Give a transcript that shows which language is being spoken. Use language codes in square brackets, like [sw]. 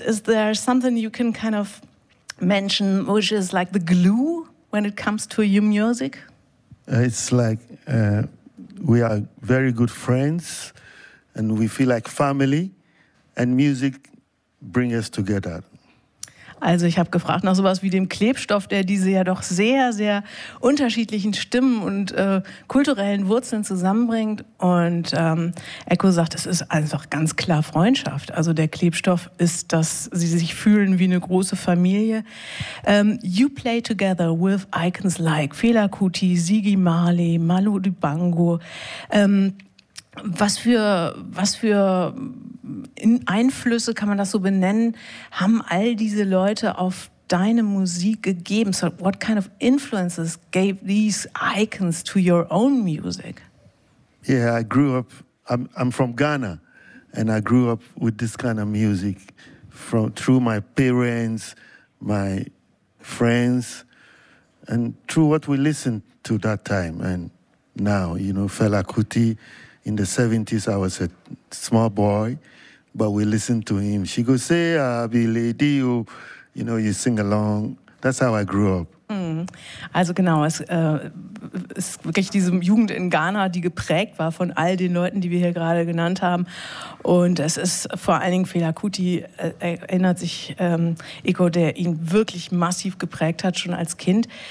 [en] Is there something you can kind of mention which is like the glue when it comes to your music? It's like we are very good friends and we feel like family, and music bring us together. [de] Also ich habe gefragt nach sowas wie dem Klebstoff, der diese ja doch sehr, sehr unterschiedlichen Stimmen und kulturellen Wurzeln zusammenbringt. Und Echo sagt, es ist einfach ganz klar Freundschaft. Also der Klebstoff ist, dass sie sich fühlen wie eine große Familie. [en] You play together with icons like Fela Kuti, Ziggy Marley, Malu Dibango. [de] Was für Einflüsse, kann man das so benennen, haben all diese Leute auf deine Musik gegeben? [en] So what kind of influences gave these icons to your own music? Yeah, I grew up, I'm from Ghana, and I grew up with this kind of music through my parents, my friends, and through what we listened to that time and now. You know, Fela Kuti, in the 70s, I was a small boy, but we listen to him. She goes, say, Abilidio, you know, you sing along. That's how I grew up. [de] Also genau, es ist wirklich diese Jugend in Ghana, die geprägt war von all den Leuten, die wir hier gerade genannt haben. Und es ist vor allen Dingen Fela Kuti, erinnert sich Echo, der ihn wirklich massiv geprägt hat, schon als Kind.